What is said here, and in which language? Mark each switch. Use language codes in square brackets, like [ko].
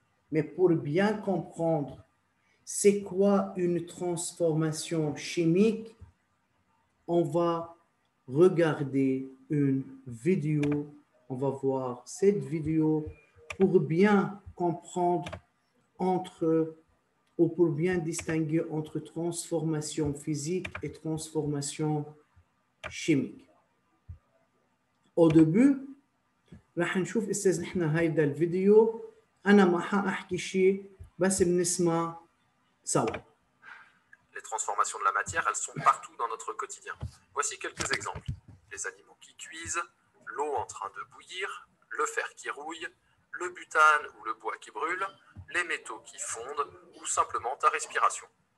[fr] Mais pour bien comprendre c'est quoi une transformation chimique, on va regarder une vidéo. On va voir cette vidéo pour bien comprendre entre ou pour bien distinguer entre transformation physique et transformation chimique. Au début, [ar] راح نشوف استاذ نحن هيدا الفيديو انا ما حاحكي شيء بس بنسمع سوا. [fr] Les transformations de la matière, elles sont partout dans notre quotidien. Voici quelques exemples. Les animaux qui cuisent, l'eau en train de bouillir, le fer qui rouille, le butane ou le bois qui brûle, les métaux qui fondent ou simplement ta respiration.